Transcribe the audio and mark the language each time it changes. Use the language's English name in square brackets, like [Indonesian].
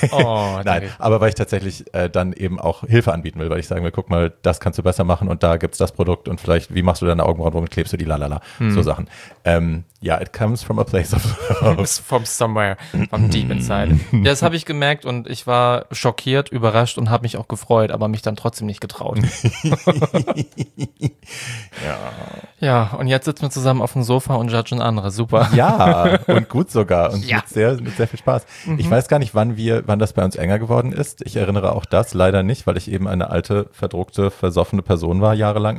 [German] Oh, nein, aber weil ich tatsächlich dann eben auch Hilfe anbieten will, weil ich sagen will, guck mal, das kannst du besser machen und da gibt's das Produkt und vielleicht, wie machst du deine Augenbrauen, womit klebst du die, lalala, so Sachen. [English] Ja, it comes from a place of love. From somewhere, from deep inside. [German] Das habe ich gemerkt und ich war schockiert, überrascht und habe mich auch gefreut, aber mich dann trotzdem nicht getraut. Ja, und jetzt sitzen wir zusammen auf dem Sofa und judgen andere, super. Ja, und gut sogar und ja. mit sehr viel Spaß. Mhm. Ich weiß gar nicht, wann das bei uns enger geworden ist. Ich erinnere auch das leider nicht, weil ich eben eine alte, verdruckte, versoffene Person war jahrelang.